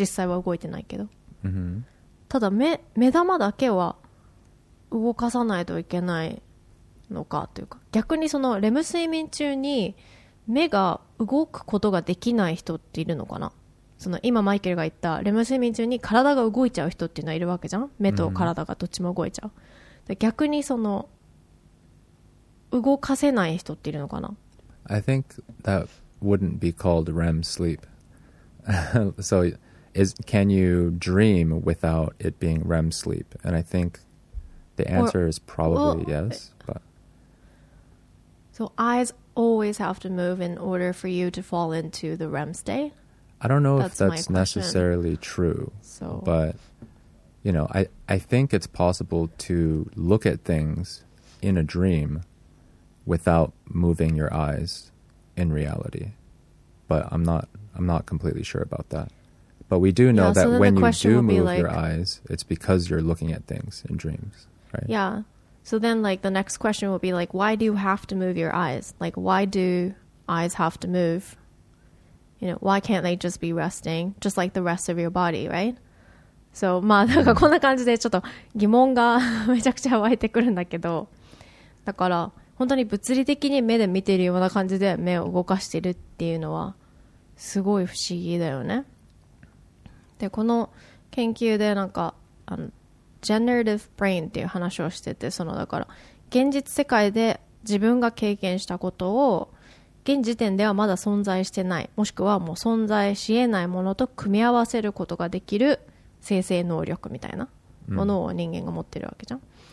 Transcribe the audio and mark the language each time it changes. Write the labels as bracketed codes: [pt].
[ja] 実際は動いてないけど、ただ 目玉だけは動かさないといけないのかというか、逆にそのレム睡眠中に目が動くことができない人っているのかな。その今マイケルが言ったレム睡眠中に体が動いちゃう人っていうのはいるわけじゃん。目と体がどっちも動いちゃう、うん、逆にその動かせない人っているのかな。 [en] I think that wouldn't be called REM sleep. So can you dream without it being REM sleep? And I think the answer is probably yes, but so eyes always have to move in order for you to fall into the REM state. I don't know if that's necessarily true. So, but you know, I think it's possible to look at things in a dream without moving your eyes in reality. But I'm not completely sure about that. But we do know that when you do move your eyes, it's because you're looking at things in dreams. Right. Yeah. So then like the next question will be like, why do you have to move your eyes? Like, why do eyes have to move? You know, why can't they just be resting just like the rest of your body, right? [ja] So, まあなんかこんな感じでちょっと疑問がめちゃくちゃ湧いてくるんだけど、だから本当に物理的に目で見ているような感じで目を動かしているっていうのはすごい不思議だよね。で、この研究でなんかあのGenerative brain っていう話をしてて、そのだから現実世界で自分が経験したことを現時点ではまだ存在してない、もしくはもう存在しえないものと組み合わせることができる生成能力みたいなものを人間が持ってるわけじゃん、うん、